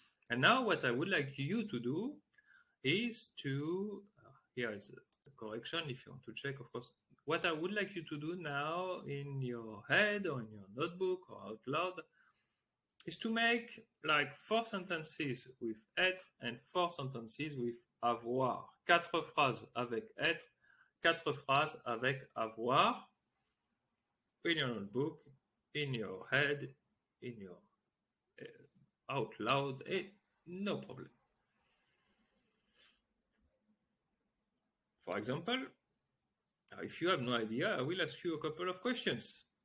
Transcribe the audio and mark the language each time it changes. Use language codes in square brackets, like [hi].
[en] And now what I would like you to do is to, here is a correction if you want to check, of course. What I would like you to do now in your head or in your notebook or out loud is to make like four sentences with être and four sentences with avoir. [fr] Quatre phrases avec être, quatre phrases avec avoir. [en] In your notebook, in your head, in your out loud, et no problem. For example, if you have no idea, I will ask you a couple of questions.